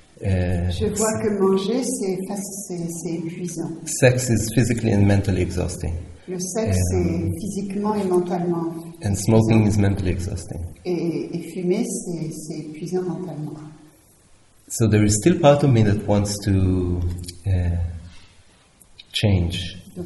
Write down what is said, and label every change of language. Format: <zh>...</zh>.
<fr>Je vois que manger c'est épuisant.</fr> <en>Sex is physically and mentally exhausting.</en> <fr>Le sexe est physiquement et mentalement.</fr> <en>And smoking is mentally exhausting.</en> <fr>Et fumer c'est épuisant mentalement.</fr> <en>So there is still part of me that wants to change.</en>